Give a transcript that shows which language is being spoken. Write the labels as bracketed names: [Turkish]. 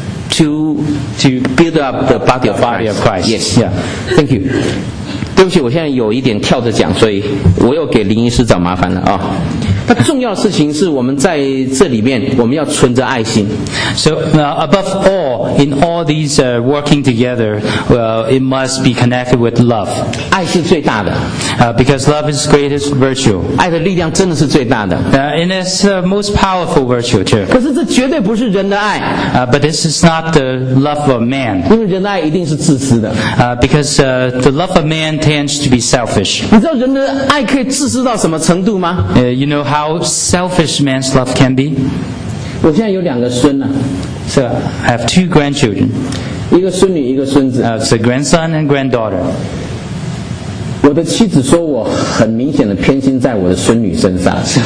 [English] To build up the body of Christ. Body of Christ. Yes. Yeah. Thank you. [Chinese] 对不起，我现在有一点跳着讲，所以我又给林医师找麻烦了啊。那重要的事情是我们在这里面我们要存着爱心。 [English] So above all, in all these working together, it must be connected with love. [Chinese] 爱是最大的。 [English] Because love is greatest virtue. [Chinese] 爱的力量真的是最大的。 [English] And it's the most powerful virtue too. [Chinese] 可是这绝对不是人的爱。 [English] But this is not the love of man. [Chinese] 因为人的爱一定是自私的。 [English] Because the love of man tends to be selfish. [Chinese] 你知道人的爱可以自私到什么程度吗？ [English] You know how selfish man's love can be? [Chinese] 我现在有两个孙啊。 [English] So I have two grandchildren. [Chinese] 一个孙女一个孙子。 [English] It's a grandson and granddaughter. [Chinese] 我的妻子说我很明显的偏心在我的孙女身上。